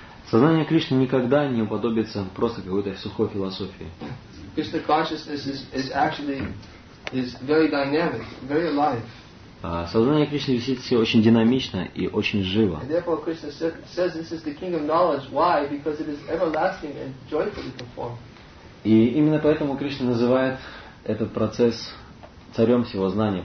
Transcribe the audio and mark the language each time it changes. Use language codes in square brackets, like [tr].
[ru] Сознание Кришны никогда не уподобится просто какой-то сухой философии. [en] Krishna consciousness is actually very dynamic, very alive. [ru] Сознание Кришны действительно очень динамично и очень живо. [en] And therefore Krishna says this is the king of knowledge. Why? Because it is everlasting and joyfully performed. [ru] И именно поэтому Кришна называет этот процесс царем всего знания.